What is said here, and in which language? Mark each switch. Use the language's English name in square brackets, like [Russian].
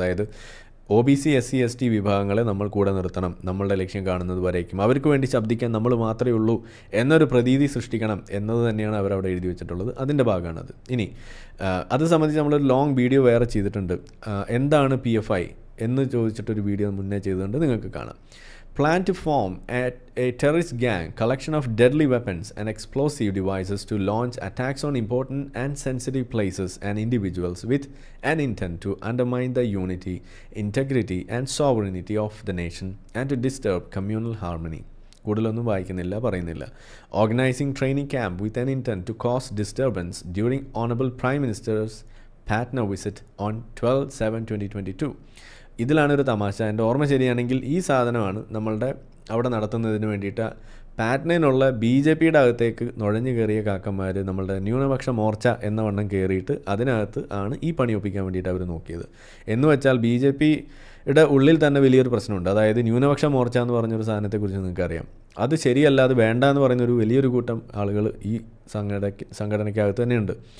[Malayalam] അതായത് O B C S C S T വിഭാഗങ്ങളെ നമ്മൾ കൂടെ നിർത്തണം, നമ്മളുടെ ലക്ഷ്യം കാണുന്നത് വരേക്കും അവർക്ക് വേണ്ടി ശബ്ദിക്കാൻ നമ്മൾ മാത്രമേ ഉള്ളൂ എന്നൊരു പ്രതീതി സൃഷ്ടിക്കണം എന്നത് തന്നെയാണ് അവരവിടെ എഴുതി വെച്ചിട്ടുള്ളത്. അതിൻ്റെ ഭാഗമാണത്. ഇനി അത് സംബന്ധിച്ച് നമ്മളൊരു ലോങ് വീഡിയോ വേറെ ചെയ്തിട്ടുണ്ട്, എന്താണ് പി എഫ് ഐ എന്ന് ചോദിച്ചിട്ടൊരു വീഡിയോ മുന്നേ ചെയ്തിട്ടുണ്ട്, നിങ്ങൾക്ക് കാണാം. [English] Plan to form a terrorist gang, collection of deadly weapons and explosive devices to launch attacks on important and sensitive places and individuals with an intent to undermine the unity, integrity and sovereignty of the nation and to disturb communal harmony. [Malayalam] കൂടുതലൊന്നും വായിക്കുന്നില്ല, പറയുന്നില്ല. [English] Organizing training camp with an intent to cause disturbance during Honorable Prime Minister's Patna visit on 12/7/2022. [Malayalam] ഇതിലാണ് ഒരു തമാശ. എൻ്റെ ഓർമ്മ ശരിയാണെങ്കിൽ ഈ സാധനമാണ് നമ്മളുടെ അവിടെ നടത്തുന്നതിന് വേണ്ടിയിട്ട് പാറ്റ്നയിലുള്ള ബി ജെ പിയുടെ അകത്തേക്ക് നുഴഞ്ഞു കയറിയ കാക്കന്മാർ, നമ്മളുടെ ന്യൂനപക്ഷ മോർച്ച എന്ന വണ്ണം കയറിയിട്ട് അതിനകത്ത് ആണ് ഈ പണി ഒപ്പിക്കാൻ വേണ്ടിയിട്ട് അവർ നോക്കിയത്. എന്ന് വെച്ചാൽ ബി ജെ പിയുടെ ഉള്ളിൽ തന്നെ വലിയൊരു പ്രശ്നമുണ്ട്. അതായത് ന്യൂനപക്ഷ മോർച്ച എന്ന് പറഞ്ഞൊരു സാധനത്തെക്കുറിച്ച് നിങ്ങൾക്കറിയാം, അത് ശരിയല്ല, അത് വേണ്ട എന്ന് പറയുന്നൊരു വലിയൊരു കൂട്ടം ആളുകൾ ഈ സംഘടനയ്ക്കകത്ത് തന്നെയുണ്ട്.